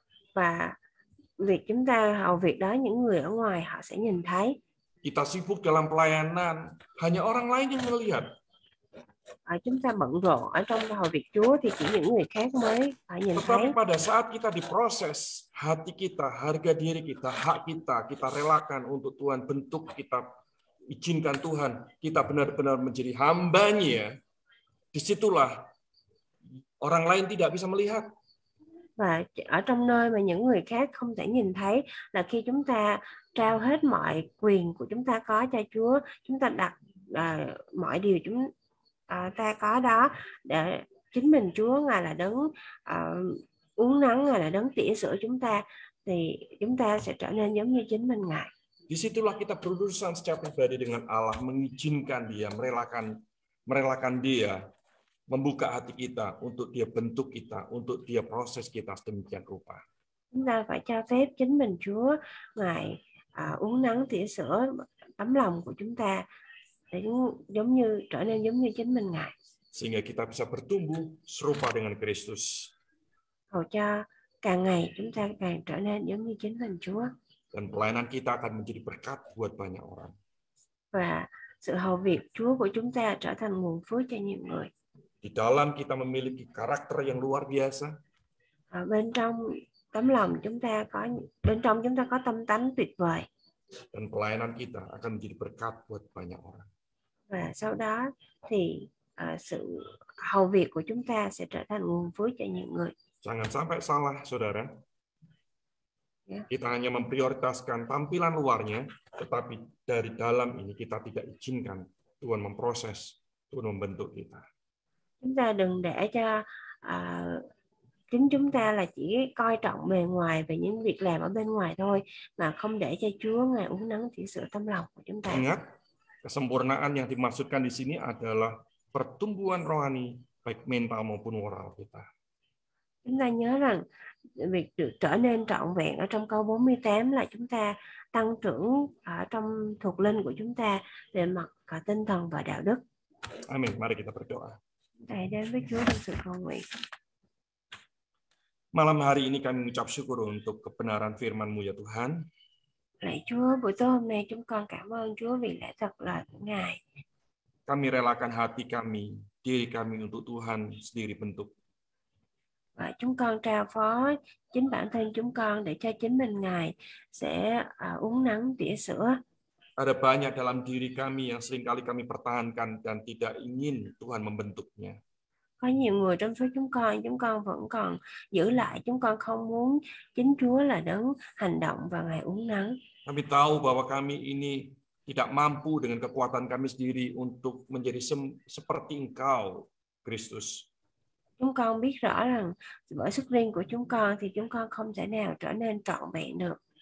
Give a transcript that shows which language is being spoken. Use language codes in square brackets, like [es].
[vi] Và việc chúng ta hầu việc đó những người ở ngoài họ sẽ nhìn thấy. [id] Kita sibuk dalam pelayanan hanya orang lain yang melihat. [vi] Chúng ta bận rộn ở trong hầu việc Chúa thì chỉ những người khác mới phải nhìn [id] Tetapi [vi] thấy. [id] Pada saat kita diproses, hati kita, harga diri kita, hak kita, kita relakan untuk Tuhan, bentuk kita, izinkan Tuhan, kita benar-benar menjadi hambanya, disitulah orang lain tidak bisa melihat. [vi] Và ở trong nơi mà những người khác không thể nhìn thấy là khi chúng ta trao hết mọi quyền của chúng ta có cho Chúa, chúng ta đặt mọi điều chúng ta có đó để chính mình Chúa Ngài là đấng uốn nắn, Ngài là đấng tỉa sửa chúng ta, thì chúng ta sẽ trở nên giống như chính mình Ngài. [id] Disitulah kita berurusan secara pribadi dengan Allah, mengizinkan Dia, merelakan Dia, membuka hati kita untuk Dia bentuk kita, untuk Dia proses kita sedemikian rupa. [vi] Chúng ta phải cho phép chính mình Chúa Ngài uốn nắn tỉa sửa tấm lòng của chúng ta để giống như trở nên giống như chính mình Ngài. [id] Sehingga kita bisa bertumbuh serupa dengan Kristus. [vi] Hầu cho càng ngày chúng ta càng trở nên giống như chính mình Chúa. [id] Dan pelayanan kita akan menjadi berkat buat banyak orang. [vi] Và sự hầu việc Chúa của chúng ta trở thành nguồn phước cho nhiều người. [id] Di dalam kita memiliki karakter yang luar biasa. [vi] Bên trong tấm lòng chúng ta có, bên trong chúng ta có tâm tánh tuyệt vời. [id] Dan pelayanan kita akan menjadi berkat buat banyak orang. [vi] Và sau đó thì sự hầu việc của chúng ta sẽ trở thành nguồn phước cho nhiều người. [id] Jangan sampai salah, saudara. Kita hanya memprioritaskan tampilan luarnya, tetapi dari dalam ini kita tidak izinkan Tuhan memproses, Tuhan membentuk kita. [vi] Chúng ta đừng để cho chính chúng ta là chỉ coi trọng bề ngoài về những việc làm ở bên ngoài thôi, mà không để cho Chúa Ngài uốn nắn chỉ sửa tâm lòng của chúng ta. [id] Ingat, kesempurnaan yang dimaksudkan di sini adalah pertumbuhan rohani baik mental maupun moral kita. [vi] Chúng ta nhớ rằng việc được trở nên trọn vẹn ở trong câu 48 là chúng ta tăng trưởng ở trong thuộc linh của chúng ta về mặt cả tinh thần và đạo đức. [id] Amin. Mari kita berdoa. [vi] Đại đến với Chúa trong sự cầu nguyện. [id] Malam hari ini kami mengucap syukur untuk kebenaran firman-Mu ya Tuhan. [vi] Lạy Chúa, buổi tối hôm nay chúng con cảm ơn Chúa vì lẽ thật là Ngài. [id] Kami relakan hati kami, diri kami untuk Tuhan sendiri bentuk. [vi] Và chúng con trao phó chính bản thân chúng con để cho chính mình Ngài sẽ uốn nắn tỉa sữa. [id] Ada banyak dalam diri kami yang seringkali kami pertahankan dan tidak ingin Tuhan membentuknya. [vi] Có nhiều người trong số chúng con vẫn còn giữ lại, chúng con không muốn chính Chúa là đấng hành động và Ngài uốn nắn. [id] Kami tahu bahwa kami ini tidak mampu dengan kekuatan kami sendiri untuk menjadi seperti Engkau, Kristus. [vi] Chúng con biết rõ rằng bởi sức riêng của chúng con thì chúng con không thể nào trở nên trọn vẹn được.